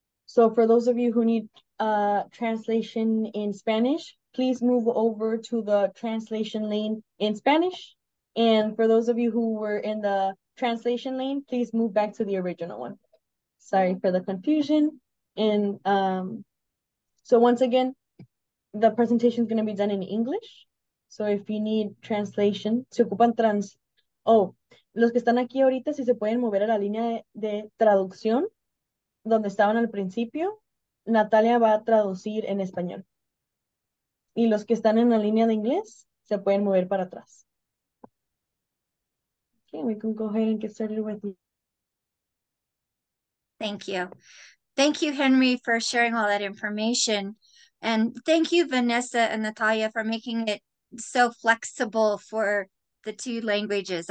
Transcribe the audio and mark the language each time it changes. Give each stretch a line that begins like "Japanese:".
English: So for those of you who need translation in Spanish, please move over to the translation lane in Spanish. And for those of you who were in the translation lane, please move back to the original one. Sorry for the confusion. And so once again, the presentation is going to be done in English. So if you need translation,
Spanish: se ocupan trans. Oh, los que están aquí ahorita, si se pueden mover a la línea de traducción donde estaban al principio, Natalia va a traducir en español. Y los que están en la línea de inglés, se pueden mover para atrás.
English: Okay, we can go ahead and get started with you. Thank you. Thank you, Henry, for sharing all that information. And thank you, Vanessa and Natalia, for making it so flexible for the two languages.